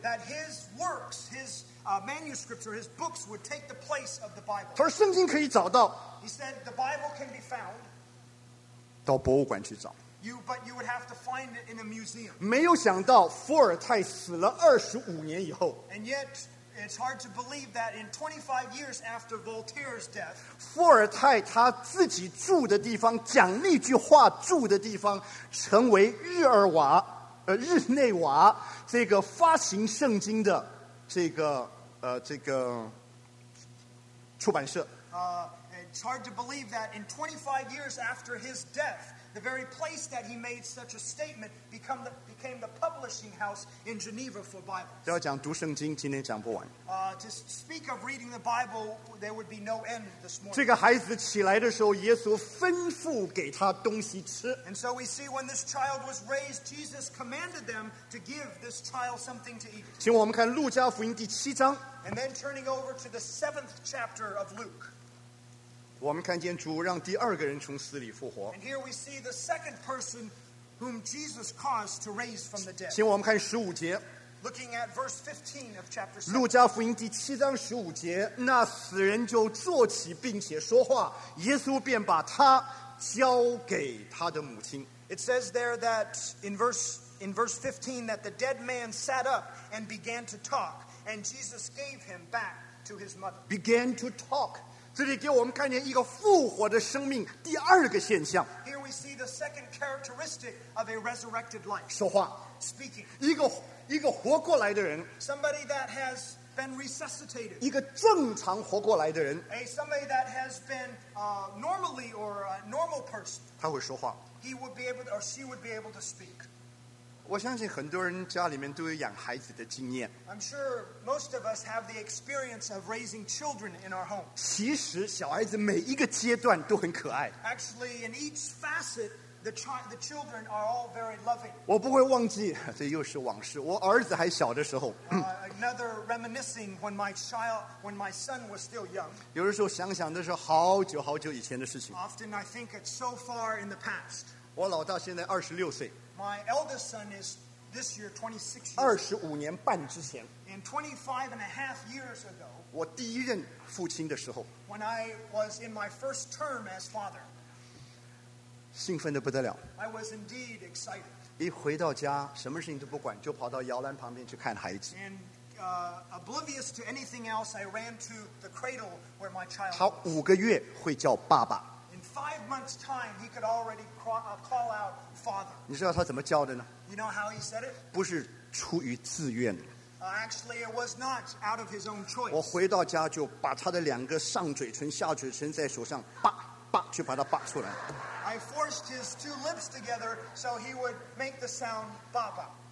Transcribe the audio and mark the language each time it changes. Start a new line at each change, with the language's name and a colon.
English: That his works, his manuscripts or his books would take the place of the Bible.
Chinese: 他说圣经可以找到。
English: He said the Bible can be found.
Chinese: 到博物馆去找。
English: But you would have to find it in a museum.
Chinese: 没有想到伏尔泰死了25年以后。
English: And yet, it's hard to believe that in 25 years after Voltaire's death,
Chinese: 伏尔泰他自己住的地方，讲那句话住的地方，成为日内瓦这个发行圣经的这个出版社。
English: It's hard to believe that in 25 years after his death, the very place that he made such a statement became the publishing house in Geneva for Bibles.
Chinese: 要讲读圣经，今天讲不完。
English: To speak of reading the Bible, there would be no end this morning.
Chinese: 这个孩子起来的时候，耶稣吩咐给他东西吃。
English: And so we see when this child was raised, Jesus commanded them to give this child something to eat.
Chinese: 请我们看路加福音第七章。
English: And then turning over to the 7th chapter of Luke.
Chinese: 我们看见主让第二个人从死里复活。
English: And here we see the second person whom Jesus caused to raise from the dead.
Chinese: 请我们看15节。
English: Looking at verse 15 of chapter 7.
Chinese: 路加福音第七章15节, 那死人就坐起并且说话，耶稣便把他交给他的母亲。
English: It says there that in verse 15 that the dead man sat up and began to talk, and Jesus gave him back to his mother. Began to talk.
Chinese: 这里给我们看见一个复活的生命，第二个现象。
English: Here we see the second characteristic of a resurrected life.
Chinese: 说话。
English: Speaking.
Chinese: 一个活过来的人。
English: Somebody that has been resuscitated.
Chinese: 一个正常活过来的人。
English: Somebody that has been normally or a normal person.
Chinese: 他会说话。
English: He would be able to, or she would be able to speak.
Chinese: 我相信很多人家里面都有养孩子的经验。
English: I'm sure most of us have the experience of raising children in our home.
Chinese: 其实小孩子每一个阶段都很可爱。
English: Actually, in each facet, the children are all very loving.
Chinese: 我不会忘记，这又是往事。我儿子还小的时候。
English: Another reminiscing when my son was still young.
Chinese: 有的时候想想，那是好久好久以前的事情。
English: Often I think it's so far in the past.
Chinese: 我老大现在26岁。
English: My eldest son is this year 26 years old. In 25 and a half years ago,
Chinese: 我第一任父亲的时候,
English: when I was in my first term as father,
Chinese: 兴奋得不得了,
English: I was indeed excited.
Chinese: 一回到家, 什么事情都不管, 就跑到摇篮旁边去看孩子。
English: And oblivious to anything else, I ran to the cradle where my child was.
Chinese: 他5个月会叫爸爸。
English: 5 months' time, he could already call out father.
Chinese: 你知道他怎么叫的呢?
English: You know how he said it?
Chinese: 不是出于自愿。
English: Actually, it was not out of his own choice.
Chinese: 我回到家就把他的两个上嘴唇、下嘴唇在手上，叭叭，去把它叭出来。
English: I forced his two lips together so he would make the sound baba.